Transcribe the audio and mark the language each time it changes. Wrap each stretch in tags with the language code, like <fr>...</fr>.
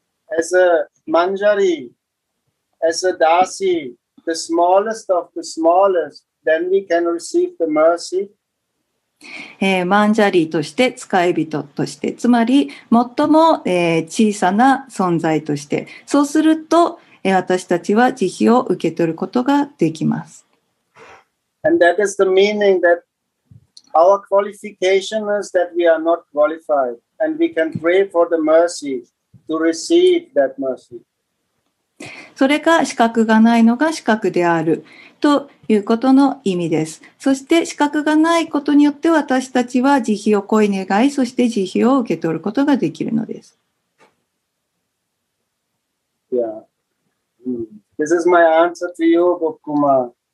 <en>As a manjari,As a Dasi, the smallest of the smallest, then we can receive the mercy.</en> <ja>マンジャリとして、使い人として、つまり最も、小さな存在として、そうすると、私たちは慈悲を受け取ることができます。</ja> <en>And that is the meaning that our qualification is that we are not qualified, and we can pray for the mercy to receive that mercy.</en> <ja>それが資格がないのが資格であるということの意味です。そして資格がないことによって私たちは慈悲を恋願い、そして慈悲を受け取ることができるのです。</ja> <en>Yeah. This is my answer to you, Gokuma.</en>